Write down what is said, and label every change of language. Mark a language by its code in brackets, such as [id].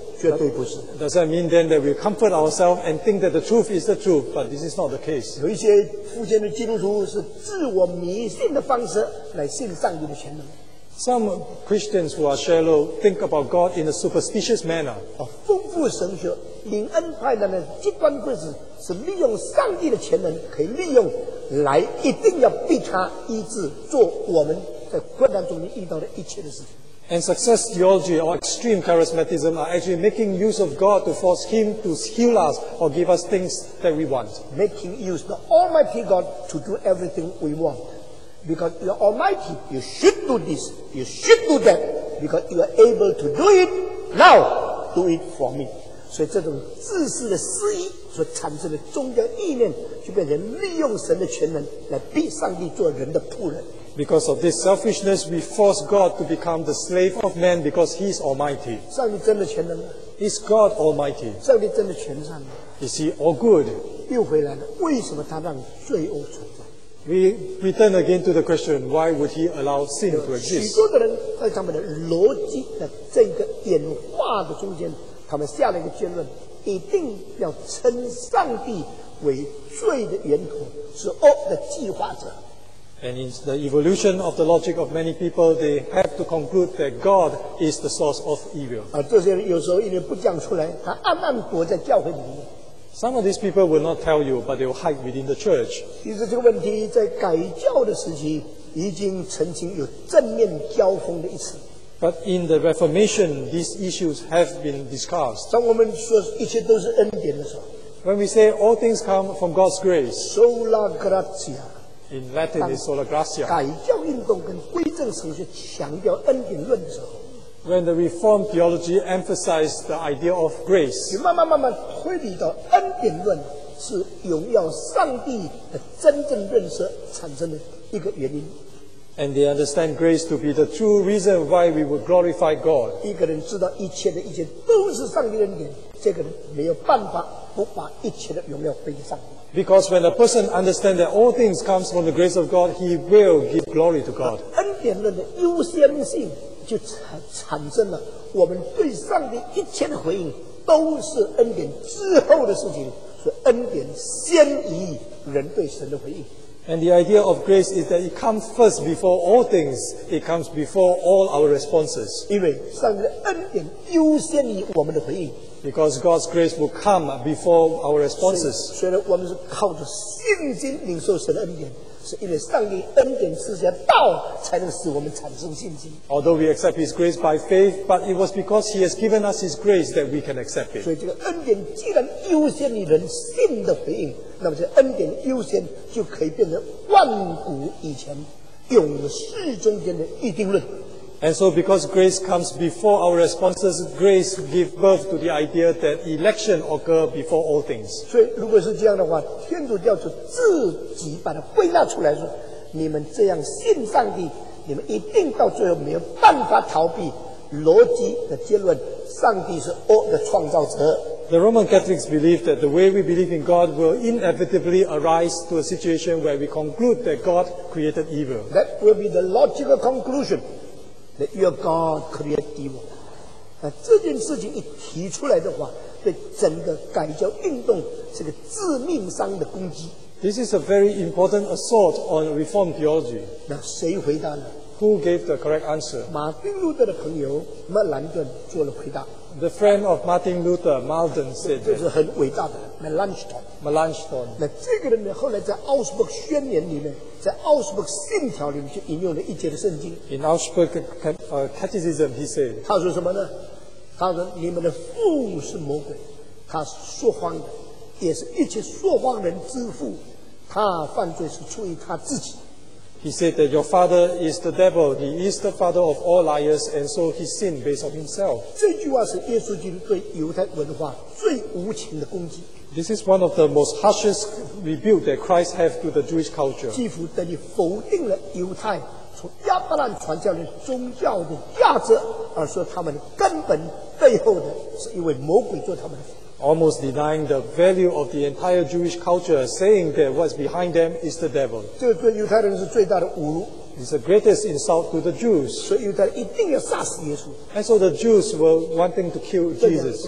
[zh] 绝对不是。 [en] Does that mean then that we comfort ourselves and think that the truth is the truth? But this is not the case. [zh] 有一些福建的基督徒是自我迷信的方式来信上帝的全能。 [en] Some Christians who are shallow think about God in a superstitious manner. [zh] 丰富神学领恩派的呢，极端分子是利用上帝的全能可以利用来一定要被他医治，做我们在困难中遇到的一切的事情。 [en] And success theology or extreme charismatism are actually making use of God to force Him to heal us or give us things that we want. Making use the Almighty God to do everything we want. Because you are Almighty, you should do this, you should do that, because you are able to do it now, do it for me. [zh] 所以这种自私的私欲所产生的宗教意念，就变成利用神的全能来逼上帝做人的仆人。 [en] Because of this selfishness, we force God to become the slave of man because He is Almighty. [zh] 上帝真的全能吗？ [en] Is God Almighty? [zh] 上帝真的全善吗？ [en] Is He all good? [zh] 又回来了，为什么他让罪恶存在？ [en] We return again to the question, why would He allow sin to exist? [zh] 许多的人在他们的逻辑的这个演化的中间，他们下了一个结论，一定要称上帝为罪的源头，是恶的计划者。 [en] And in the evolution of the logic of many people, they have to conclude that God is the source of evil. [zh] 这些人有时候因为不讲出来，他暗暗躲在教会里面。 [en] Some of these people will not tell you, but they will hide within the church. [zh] 其实这个问题在改教的时期已经曾经有正面交锋的一次。 [en] But in the Reformation, these issues have been discussed. [zh] 当我们说一切都是恩典的时候 [en] ，When we say all things come from God's grace, [la] sola gratia. [en] In Latin, it's sola gratia. [zh] 改教运动跟归正神学强调恩典论的时候 [en] ，When the Reformed theology emphasized the idea of grace, [zh] 你慢慢慢慢推理到恩典论是荣耀上帝的真正认识产生的一个原因。 [en] And they understand grace to be the true reason why we would glorify God. [zh] 一个人知道一切的一切都是上帝的恩典，这个人没有办法不把一切的荣耀归给上帝。 [en] Because when a person understands that all things come from the grace of God, he will give glory to God. [zh] 恩典论的优先性就产生了我们对上帝一切的回应都是恩典之后的事情，所以恩典先于人对神的回应。 [en] And the idea of grace is that it comes first before all things. It comes before all our responses. [zh] 因为上帝的恩典优先于我们的回应。 [en] Because God's grace will come before our responses. [zh] 虽然我们是靠着信心领受神的恩典，是因为上帝恩典之下道才能使我们产生信心。 [en] Although we accept His grace by faith, but it was because He has given us His grace that we can accept it. [zh] 所以这个恩典既然优先于人信的回应，那么这恩典优先就可以变成万古以前永世中间的预定论。 [en] And so because grace comes before our responses, grace gives birth to the idea that election occurs before all things. [zh] 所以如果是这样的话，天主教就自己把它归纳出来说，你们这样信上帝，你们一定到最后没有办法逃避逻辑的结论，上帝是恶的创造者。 [en] The Roman Catholics believe that the way we believe in God will inevitably arise to a situation where we conclude that God created evil. That will be the logical conclusion. That your God created evil. [zh] 那这件事情一提出来的话，对整个改教运动是个致命伤的攻击。 [en] This is a very important assault on Reformed theology. [zh] 那谁回答呢 [en] ？Who gave the correct answer? [zh] 马丁路德的朋友麦兰顿做了回答。 [en] The friend of Martin Luther, Malden, said that. [zh] 这是很伟大的 Melanchthon. [en] Melanchthon. [zh] 那这个人呢，后来在奥斯堡宣言里面。在奥斯堡信条里面就引用了一节的圣经。 [en] In Augsburg Catechism, he said. [zh] 他说什么呢？他说你们的父是魔鬼，他说谎的，也是一切说谎人之父。他犯罪是出于他自己。 [en] He said that your father is the devil. He is the father of all liars, and so he sinned based on himself. [zh] 这句话是耶稣基督对犹太文化最无情的攻击。 [en] This is one of the most harshest rebuke that Christ has to the Jewish culture. [zh] 几乎等于否定了犹太从亚伯兰传下来宗教的价值，而说他们根本背后的是一位魔鬼做他们的父。 [en] almost denying the value of the entire Jewish culture, saying that what's behind them is the devil. This is the greatest insult to the Jews. And so the Jews were wanting to kill Jesus.